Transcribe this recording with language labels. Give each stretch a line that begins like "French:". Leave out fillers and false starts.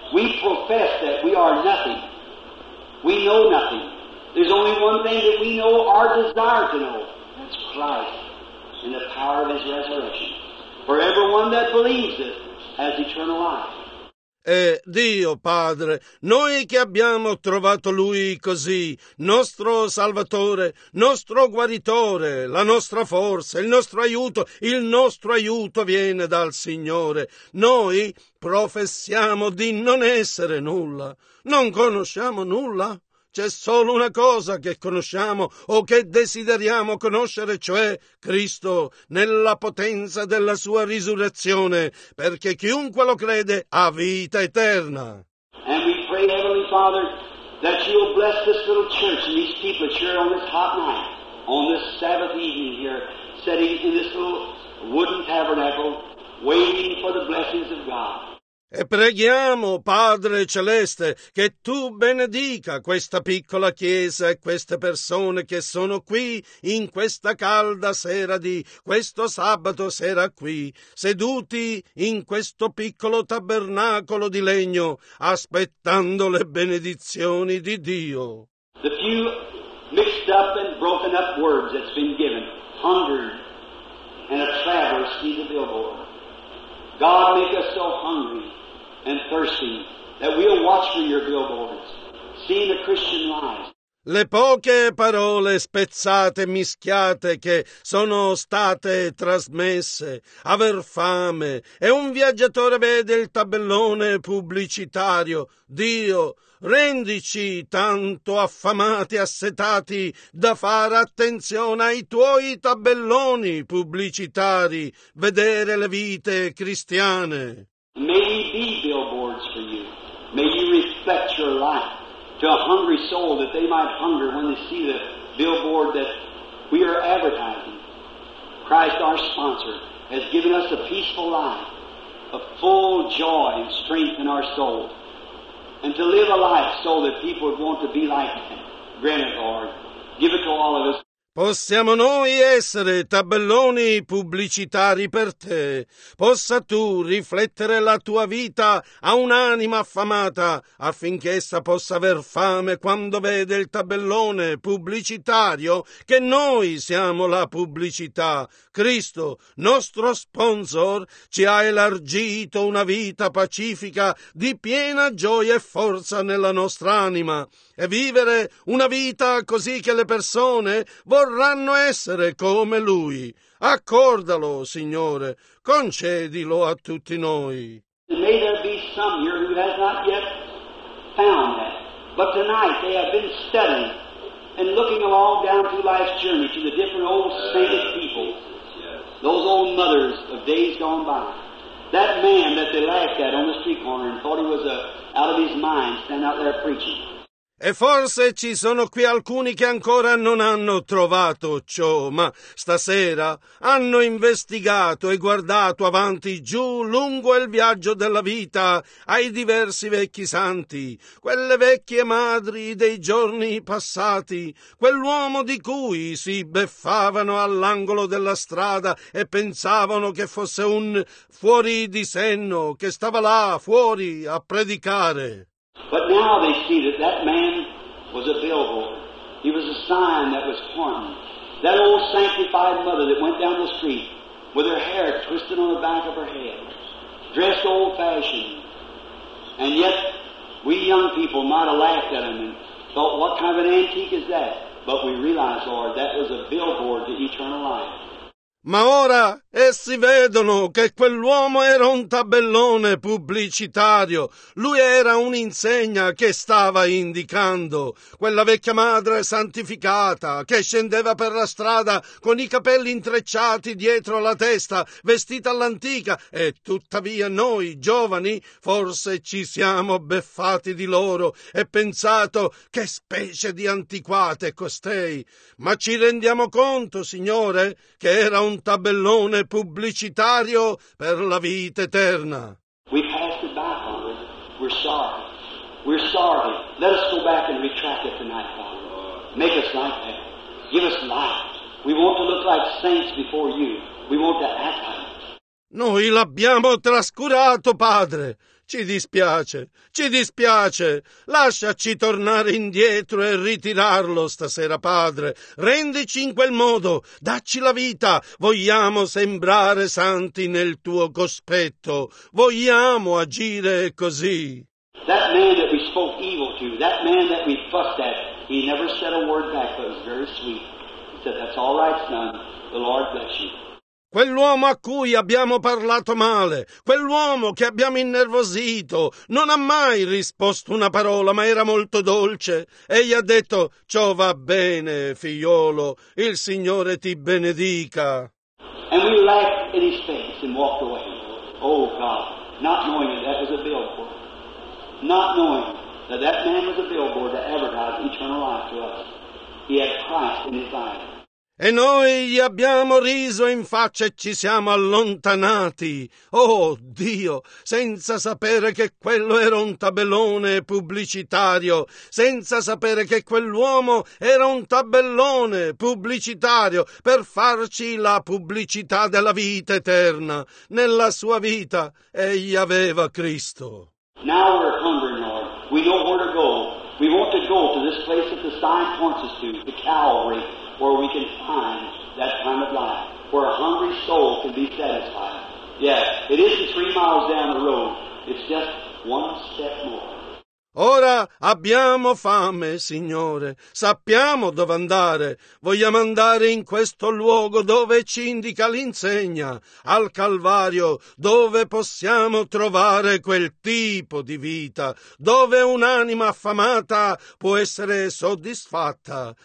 English: We profess that we are nothing. We know nothing. There's only one thing that we know our desire to know. That's Christ and the power of His resurrection. For everyone that believes it has eternal life.
Italian: E Dio Padre, noi che abbiamo trovato Lui così, nostro Salvatore, nostro guaritore, la nostra forza, il nostro aiuto viene dal Signore. Noi professiamo di non essere nulla, non conosciamo nulla. C'è solo una cosa che conosciamo o che desideriamo conoscere, cioè Cristo nella potenza della sua risurrezione, perché chiunque lo crede ha vita eterna.
English: And we pray, Heavenly Father, that you will bless this little church and these people here on this hot night, on this Sabbath evening here, sitting in this little wooden tabernacle, waiting for the blessings of God.
Italian: E preghiamo, Padre Celeste, che Tu benedica questa piccola chiesa e queste persone che sono qui in questa calda sera di questo sabato sera qui, seduti in questo piccolo tabernacolo di legno, aspettando le benedizioni di Dio.
English: The few mixed up and broken up words that's been given, hungered, and a traveler see the billboard. God make us so hungry and thirsty, that we'll watch for your billboards, seeing the Christian lives.
Italian: Le poche parole spezzate, mischiate, che sono state trasmesse, aver fame, e un viaggiatore vede il tabellone pubblicitario. Dio, rendici tanto affamati, assetati, da fare attenzione ai tuoi tabelloni pubblicitari, vedere le vite cristiane.
English: May be billboards for you. May you reflect your life to a hungry soul that they might hunger when they see the billboard that we are advertising. Christ, our sponsor, has given us a peaceful life, a full joy and strength in our soul, and to live a life so that people would want to be like him. Grant it, Lord. Give it to all of us.
Italian: Possiamo noi essere tabelloni pubblicitari per te. Possa tu riflettere la tua vita a un'anima affamata affinché essa possa aver fame quando vede il tabellone pubblicitario che noi siamo la pubblicità. Cristo, nostro sponsor, ci ha elargito una vita pacifica di piena gioia e forza nella nostra anima. E vivere una vita così che le persone vorranno essere come Lui. Accordalo, Signore, concedilo a tutti noi.
English: May there be some here who has not yet found that. But tonight they have been studying and looking along down through life's journey to the different old sainted people, those old mothers of days gone by. That man that they laughed at on the street corner and thought he was out of his mind, stand out there preaching.
Italian: E forse ci sono qui alcuni che ancora non hanno trovato ciò, ma stasera hanno investigato e guardato avanti giù lungo il viaggio della vita ai diversi vecchi santi, quelle vecchie madri dei giorni passati, quell'uomo di cui si beffavano all'angolo della strada e pensavano che fosse un fuori di senno che stava là fuori a predicare.
English: But now they see that that man was a billboard. He was a sign that was pointing. That old sanctified mother that went down the street with her hair twisted on the back of her head, dressed old-fashioned. And yet we young people might have laughed at him and thought, what kind of an antique is that? But we realize, Lord, that was a billboard to eternal life.
Italian: Ma ora essi vedono che quell'uomo era un tabellone pubblicitario. Lui era un'insegna che stava indicando. Quella vecchia madre santificata che scendeva per la strada con i capelli intrecciati dietro la testa, vestita all'antica. E tuttavia noi, giovani, forse ci siamo beffati di loro e pensato che specie di antiquate costei. Ma ci rendiamo conto, Signore, che era un tabellone pubblicitario per la vita eterna.
English: We passed it by, Father. We're sorry. We're sorry. Let us go back and retract it tonight, Father. Make us like that. Give us life. We want to look like saints before you. We want to act like it.
Italian: Noi l'abbiamo trascurato, Padre. Ci dispiace, ci dispiace. Lasciaci tornare indietro e ritirarlo stasera, Padre. Rendici in quel modo, dacci la vita. Vogliamo sembrare santi nel tuo cospetto. Vogliamo agire così.
English: That man that we spoke evil to, that man that we fussed at, he never said a word back, but it was very sweet. He said, "That's all right, son. The Lord bless you."
Italian: Quell'uomo a cui abbiamo parlato male, quell'uomo che abbiamo innervosito, non ha mai risposto una parola, ma era molto dolce. Egli ha detto, ciò va bene, figliolo, il Signore ti benedica.
English: And we laughed in his face and walked away. Oh God, not knowing that was a billboard. Not knowing that that man was a billboard that advertised eternal life to us. He had Christ in his eyes.
Italian: E noi gli abbiamo riso in faccia e ci siamo allontanati. Oh Dio, senza sapere che quello era un tabellone pubblicitario, senza sapere che quell'uomo era un tabellone pubblicitario per farci la pubblicità della vita eterna. Nella sua vita egli aveva Cristo.
English: Now we're hungry, Lord. We don't want to go. We want to go to this place that the sign points us to, the Calvary, where we can find that kind of life, where a hungry soul can be satisfied. Yes, it isn't 3 miles down the road, it's just one step more.
Italian: Ora abbiamo fame, Signore. Sappiamo dove andare. Vogliamo andare in questo luogo dove ci indica l'insegna, al Calvario, dove possiamo trovare quel tipo di vita, dove un'anima affamata può essere soddisfatta.